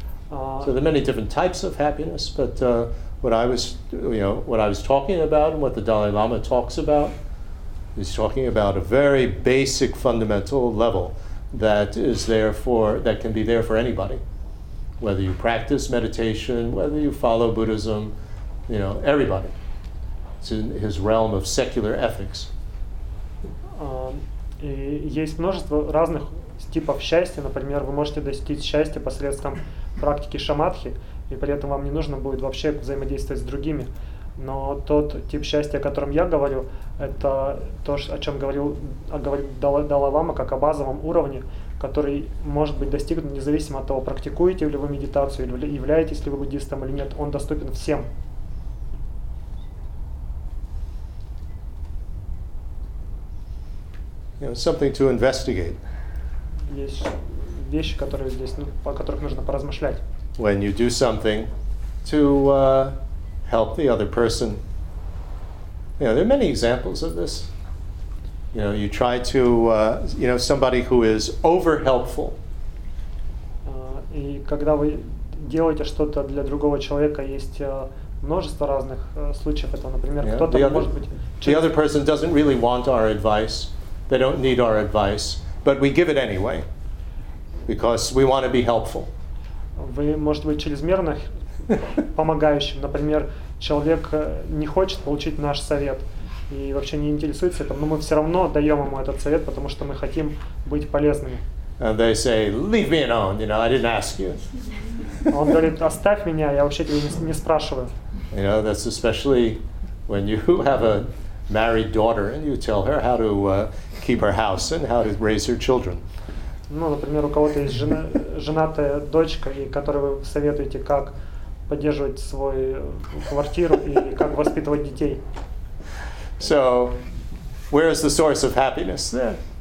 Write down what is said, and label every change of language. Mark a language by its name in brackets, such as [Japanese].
[English] So there are many different types of happiness. But what I was talking about, and what the Dalai Lama talks about, he's talking about a very basic, fundamental level. That can be there for anybody, whether you practice meditation, whether you follow Buddhism, you know, everybody. It's in his realm of secular ethics. [Russian] Есть множество разных типов счастья. Например, вы можете достичь счастья посредством практики шамадхи, и при этом вам не нужно будет вообще взаимодействовать с другими. Но тот тип счастья, о котором я говорю, это то, о чем говорил Далай-лама, как о базовом уровне, который может быть достигнут независимо от того, практикуете ли вы медитацию, или являетесь ли вы буддистом или нет, он доступен всем. [English] You know, something to investigate. [Russian] Есть вещи, которые здесь, ну, о которых нужно поразмышлять. [English] When you do something to help the other person. You know, there are many examples of this. You know, you try to, you know, somebody who is over-helpful. [Russian] И когда вы делаете что-то для другого человека, есть множество разных случаев этого. Например, yeah, кто-то может быть... [English] The other person doesn't really want our advice. They don't need our advice. But we give it anyway. Because we want to be helpful. [Russian] Вы, может быть, чрезмерно помогающим. Например, человек не хочет получить наш совет и вообще не интересуется этим, но мы все равно даем ему этот совет, потому что мы хотим быть полезными. [English] And they say, leave me alone, you know, I didn't ask you. [Russian] Он говорит, оставь меня, я вообще тебя не спрашиваю. [English] You know, that's especially when you have a married daughter and you tell her how to keep her house and how to raise her children. [Russian] Ну, например, у кого-то есть женатая дочка, и которой вы советуете, как поддерживать свою квартиру и как воспитывать детей. [English] So, where is the source of happiness there?